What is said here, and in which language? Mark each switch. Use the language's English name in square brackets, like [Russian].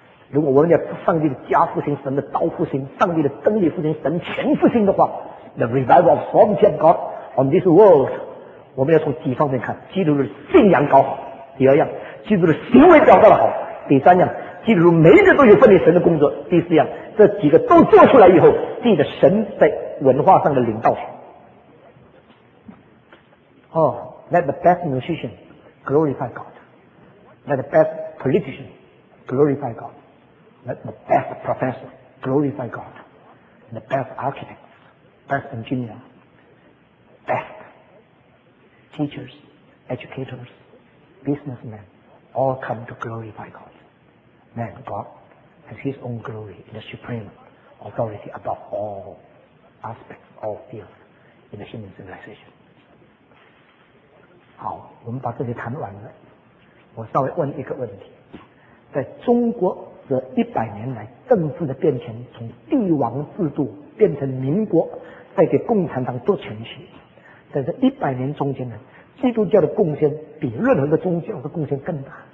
[Chinese] 如果我们要上帝的家复兴、神的道复兴、上帝的真理复兴、神全复兴的话， [English] The revival of sovereignty of God on this world， [Chinese] 我们要从几方面看，基督的信仰搞好，第二样基督的行为表达的好，第三样基督每一个都有分离神的工作，第四样这几个都做出来以后，记得神在文化上的领导权。 [English] Oh, let the best musician glorify God. Let the best politician glorify God. Let the best professor glorify God. The best architect, best engineer, bestteachers, educators, businessmen, all come to glorify God. man, God, has His own glory in the supreme authority above all aspects, all fields in the human civilization. [Chinese] 好，我们把这些谈完了，我稍微问一个问题：在中国这一百年来政治的变迁，从帝王制度变成民国，再给共产党做前期，在这一百年中间呢，基督教的贡献比任何的宗教的贡献更大。